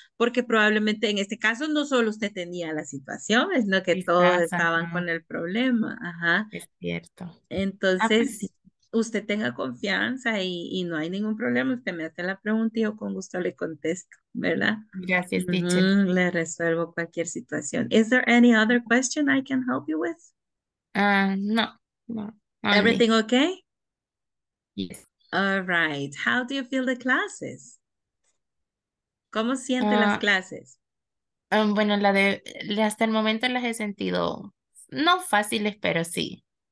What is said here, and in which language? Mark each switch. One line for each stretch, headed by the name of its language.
Spanish: Porque probablemente en este caso no solo usted tenía la situación, sino que todos estaban con el problema. Ajá. Es cierto. Entonces, usted tenga confianza y no hay ningún problema, usted me hace la pregunta y yo con gusto le contesto, ¿verdad? Gracias, teacher. Mm-hmm. Le resuelvo cualquier situación.
English: Is there any other question I can help you with? No. Only. Everything okay? Yes. All right. How do you feel the classes?
Spanish: ¿Cómo siente las clases? Bueno, hasta el momento las he sentido, no fáciles, pero sí.